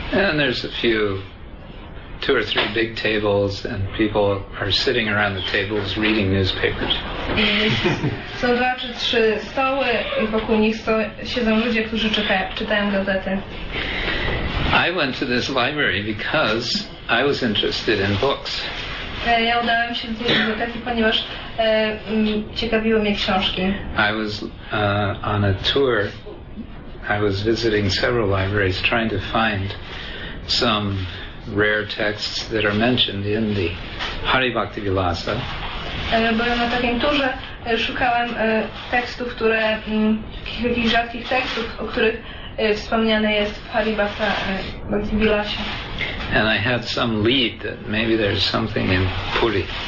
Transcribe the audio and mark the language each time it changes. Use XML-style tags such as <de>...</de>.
<en>And there's a few, two or three big tables, and people are sitting around the tables reading newspapers.</en> <pl>Są dwa czy trzy stoły i wokół nich siedzą ludzie, którzy czytają gazety.</pl> <en>I went to this library because I was interested in books.</en> <pl>Ja udałem się do tej biblioteki, ponieważ ciekawiły mnie książki.</pl> <en>I was on a tour. I was visiting several libraries trying to find some rare texts that are mentioned in the Haribhakti Vilasa.</en> <pl>Byłem na takim turze, szukałem tekstów, które jakichś rzadkich tekstów, o których wspomniane jest w Haribhakti Vilasie.</pl> <en>And I had some lead that maybe there's something in Puri.</en>